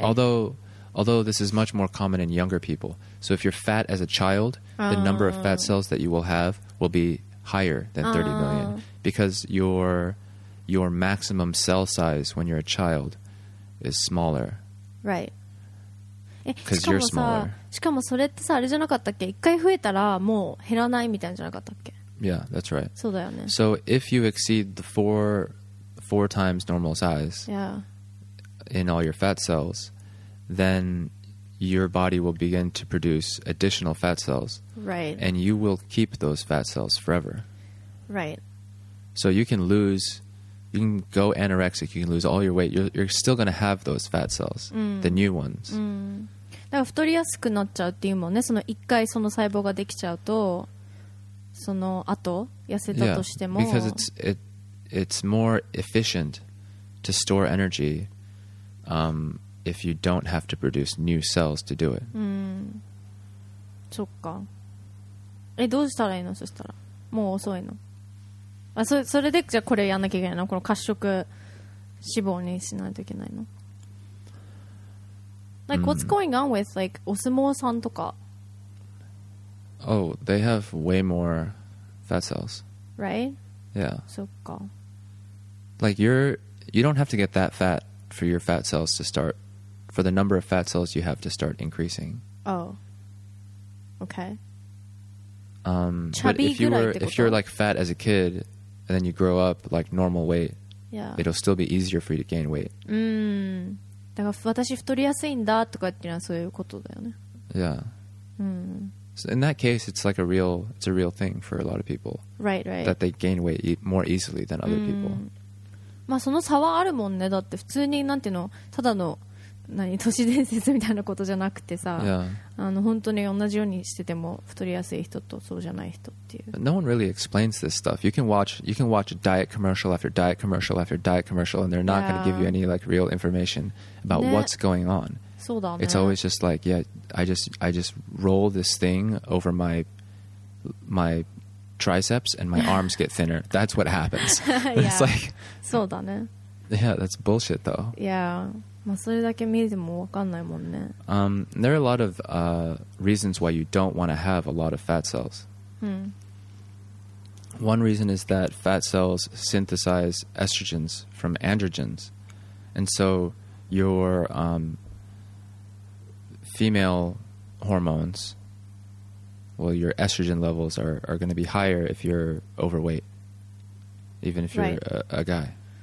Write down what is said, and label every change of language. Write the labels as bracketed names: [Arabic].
[English] Although this is much more common in younger people. So if you're fat as a child, the number of fat cells that you will have will be... higher than 30 million because your maximum cell size when you're a child is smaller. Right. Because you're smaller. [Japanese] しかもそれってさあれじゃなかったっけ?一回増えたらもう減らないみたいなじゃなかったっけ? [English] Yeah, that's right. [Japanese] そうだよね。 [English] So if you exceed the four times normal size, yeah, in all your fat cells, then your body will begin to produce additional fat cells. Right. And you will keep those fat cells forever. Right. So you can lose, you can go anorexic, you can lose all your weight, you're still going to have those fat cells, mm. the new ones. Mm. [Japanese] だから太りやすくなっちゃうっていうもんね。その一回その細胞ができちゃうと、その後痩せたとしても、 [English] yeah, because it's more efficient to store energy, if you don't have to produce new cells to do it. [Japanese] うん。そっか。え、どうしたらいいの？そしたら。もう遅いの。あ、それでじゃあこれやんなきゃいけないの？この褐色脂肪にしないといけないの？ [English] Like, what's going on with, like, [Japanese] お相撲さんとか? [English] Oh, they have way more fat cells. Right? Yeah. [Japanese] そっか。 [English] Like, you don't have to get that fat for your fat cells to start, for the number of fat cells you have to start increasing. Oh. Okay. But if you're, like, fat as a kid, and then you grow up, like, normal weight, yeah. it'll still be easier for you to gain weight. Mm. [Japanese] だから私太りやすいんだとかっていうのはそういうことだよね。 [English] Yeah. So in that case, it's like a real thing for a lot of people. Right, right. That they gain weight more easily than other people. [Japanese] まあその差はあるもんね。だって普通になんていうの、ただの何都市伝説みたいなことじゃなくてさ、 [English] yeah. [Japanese] あの本当に同じようにしてても太りやすい人とそうじゃない人っていう。 [English] But、no one really explains this stuff. You can watch diet commercial after diet commercial after diet commercial, and they're not、yeah. going to give you any like real information about、ね、what's going on. [Japanese] そうだね。 [English] It's always just like, yeah, I just roll this thing over my triceps and my arms get thinner. That's what happens. Yeah. It's like, [Japanese] そうだね。 [English] Yeah, that's bullshit though. Yeah. [Japanese] まあ、それだけ見えてもわかんないもんね。 [English] There are a lot of reasons why you don't want to have a lot of fat cells. One reason is that fat cells synthesize estrogens from androgens, and so your female hormones, well, your estrogen levels are going to be higher if you're overweight, even if you're a guy.